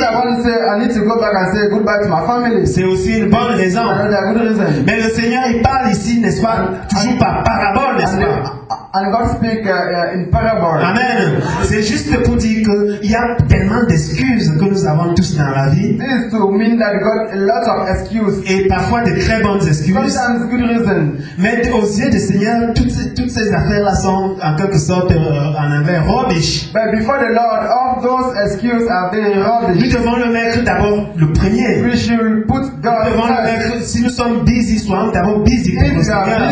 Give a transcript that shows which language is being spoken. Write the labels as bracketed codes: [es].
[en] Another one said, I need to go back and say goodbye to my family. [fr] C'est aussi une bonne raison. [en] Another good reason. [fr] Mais le Seigneur, il parle ici, n'est-ce pas? Toujours par parabole, n'est-ce pas? [en] And God speak in parable. Amen. [fr] C'est juste pour dire que il y a tellement d'excuses que nous avons tous dans la vie. [en] This is to mean that God a lot of excuses. [fr] Et parfois de très bonnes excuses. [en] Sometimes good reason. [fr] Mais aux yeux du Seigneur, toutes ces affaires-là sont en quelque sorte en avant rubbish. [en] But before the Lord, all those excuses are very rubbish. [fr] Nous devons le mettre d'abord le premier. [en] We should put God. [fr] Nous devons le mettre, si nous sommes busy, soyons d'abord busy pour le Seigneur.